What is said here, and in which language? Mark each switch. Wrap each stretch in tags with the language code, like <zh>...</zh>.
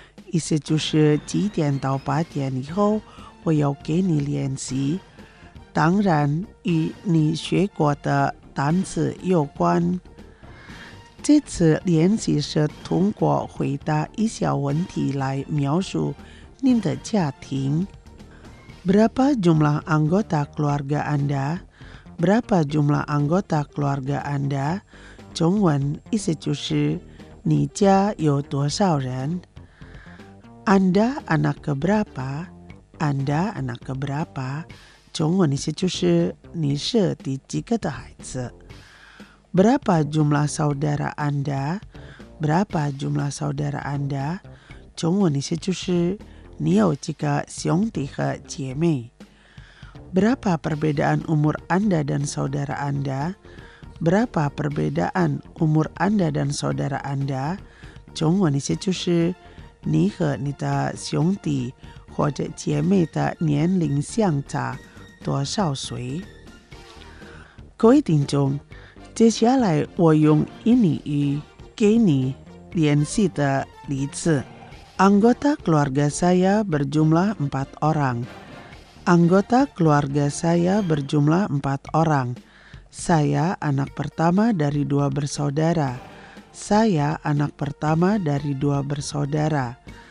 <zh>意思就是几点到八点以后， 我要给你练习，当然与你学过的单词有关。这次练习是通过回答一小问题来描述您的家庭。</zh> <id>Berapa jumlah anggota keluarga Anda? Berapa jumlah anggota keluarga Anda?</id> <zh>中文意思就是你家有多少人？</zh> <id>Anda anak keberapa? Anda anak keberapa?</id> <zh>中文的意思就是 你是第几个的孩子?</zh> <id>Berapa jumlah saudara Anda? Berapa jumlah saudara Anda?</id> <zh>中文的意思就是 你有几个兄弟和姐妹?</zh> <id>Berapa perbedaan umur Anda dan saudara Anda? Berapa perbedaan umur Anda dan saudara Anda?</id> <zh>中文的意思就是 你和你的兄弟或者姐妹的年龄相差多少岁? 各位听众, 接下来我用英语给你联系的例子。</zh> <id>Anggota keluarga saya berjumlah 4 orang. Anggota keluarga saya berjumlah 4 orang. Saya anak pertama dari 2 bersaudara. Saya anak pertama dari 2 bersaudara.</id>